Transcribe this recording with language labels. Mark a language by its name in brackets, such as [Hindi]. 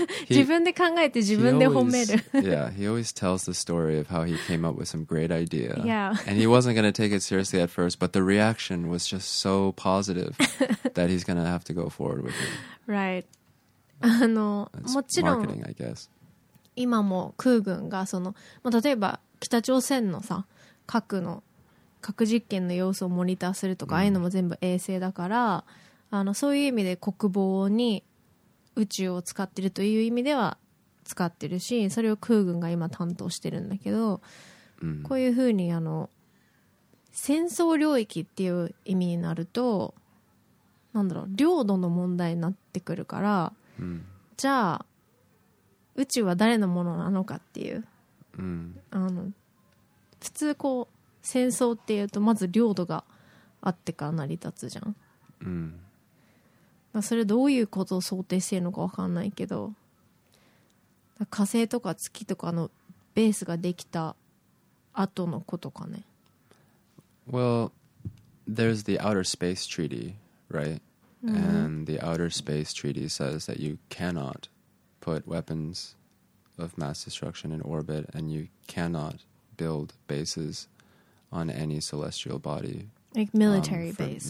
[Japanese] 自分で考えて自分で褒める。 [English] Yeah, he always tells the story of how he came up with some great idea. Yeah. And he wasn't going to take it seriously at first, but the reaction was just so positive that he's going to have to go forward with it. Right. [Japanese] あのもちろん [English] marketing, I guess. [Japanese] 今も空軍がその、まあ、例えば北朝鮮のさ核の核実験の様子をモニターするとか、ああいうのも全部衛星だから、あのそういう意味で国防に宇宙を使ってるという意味では使ってるし、それを空軍が今担当してるんだけど、こういうふうにあの戦争領域っていう意味になると、なんだろう、領土の問題になってくるから、じゃあ宇宙は誰のものなのかっていう、あの普通こう戦争っていうとまず領土があってから成り立つじゃん、まあ、それどういうことを想定してるのか分かんないけど、火星とか月とかのベースができた後のことかね。 [English] Well, there's the Outer Space Treaty, right? And the Outer Space Treaty says that you cannotput weapons of mass destruction in orbit, and you cannot build bases on any celestial body. Like military base.